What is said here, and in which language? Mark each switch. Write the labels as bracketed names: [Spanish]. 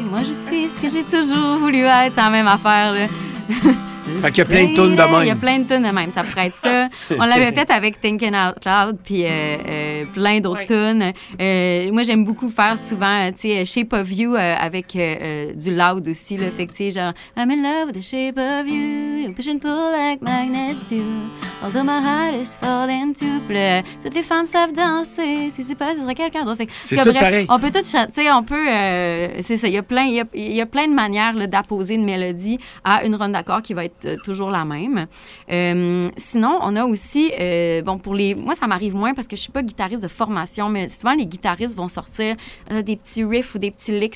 [French] Moi, je suis ce que j'ai toujours voulu être. C'est la même affaire, là. Fait qu'il y a plein de tunes de même. Il y a plein de tunes de même, ça pourrait être ça. On l'avait fait avec Thinking Out Loud, puis plein d'autres oui. tunes. Moi, j'aime beaucoup faire souvent, tu sais, Shape of You avec du loud aussi, là. Fait que, tu sais, genre, [English] I'm in love with the shape of you. You push and pull like magnets do. Although my heart is falling too. [French] Puis toutes les femmes savent danser. Si c'est pas, ce serait quelqu'un d'autre. Fait que, c'est tout bref, pareil. On peut tout chanter, on peut. C'est ça, il y a plein de manières là, d'apposer une mélodie à une ronde d'accord qui va être toujours la même. Sinon, on a aussi, bon, pour les... Moi, ça m'arrive moins parce que je suis pas guitariste de formation, mais souvent, les guitaristes vont sortir des petits riffs ou des petits licks.